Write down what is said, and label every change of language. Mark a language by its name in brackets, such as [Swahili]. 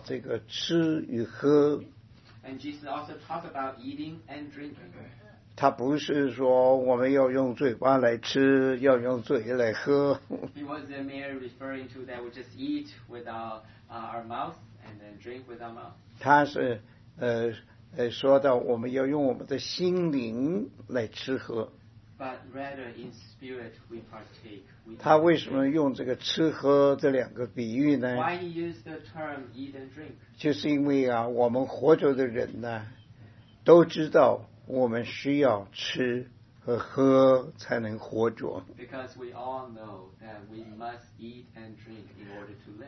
[Chinese] 还有主耶稣讲到这个吃与喝。 [English] And Jesus also talked about eating and drinking. [Chinese] 他不是说我们要用嘴巴来吃，要用嘴来喝。 [English] He wasn't merely referring to that we just eat with our mouth and then drink with our mouth. [Chinese] 他是说到我们要用我们的心灵来吃喝。 [English] But rather in spirit we partake. [Chinese] 他为什么用这个吃喝这两个比喻呢？ [English] Why he used the term eat and drink? [Chinese] 就是因为我们活着的人呢，都知道。我们需要吃和喝才能活着。 [English] Because we all know that we must eat and drink in order to live.